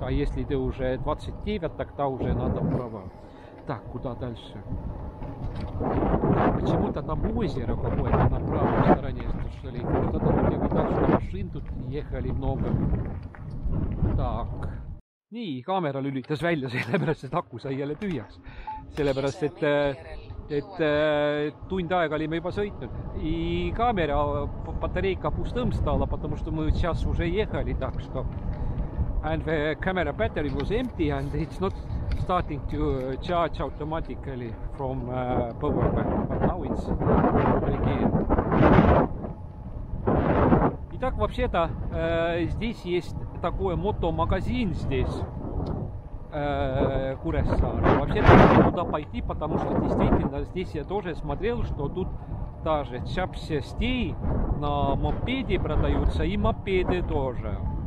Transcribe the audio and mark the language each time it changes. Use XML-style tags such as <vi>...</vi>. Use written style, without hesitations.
<ru>А если ты уже 29, тогда уже надо права. Так, куда дальше? Почему-то там озеро какое-то на правой стороне, что ли? Что-то тут я видал, что машин тут ехали много. Так.</ru> <et>Nii, kaamera lülitas välja, sellepärast, et aku sai jälle tühjaks. Sellepärast, et tund aega olime juba sõitnud.</et> <ru>И kaamera batareika pustõmstala, потому что мы сейчас уже ехали, так что...</ru> <en>And the camera battery was empty and it's not starting to charge automatically from power bank, but now it's again.</en> <ru>Итак, вообще-то, здесь есть такой мотомагазин здесь, Куресаре. Вообще-то, надо туда пойти, потому что действительно, здесь я тоже смотрел, что тут даже чапсестей на мопеде продаются и мопеды тоже.</ru>